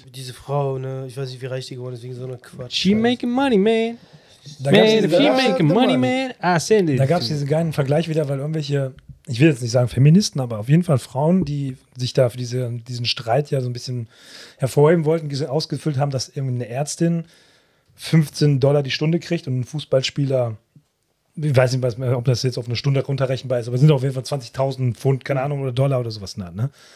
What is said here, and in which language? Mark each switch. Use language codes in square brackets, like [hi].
[de] Diese Frau, ne, ich weiß nicht, wie reich die geworden ist, wegen so einer Quatsch. [en] She making money, man. Man, if she making money, man, I send it. [de] Da gab es diesen geilen Vergleich wieder, weil irgendwelche, ich will jetzt nicht sagen Feministen, aber auf jeden Fall Frauen, die sich da für diesen Streit ja so ein bisschen hervorheben wollten, ausgefüllt haben, dass irgendeine Ärztin $15 die Stunde kriegt und ein Fußballspieler, ich weiß nicht, ob das jetzt auf eine Stunde runterrechenbar ist, aber es sind auf jeden Fall 20.000 Pfund, keine Ahnung, oder Dollar oder sowas. Ne?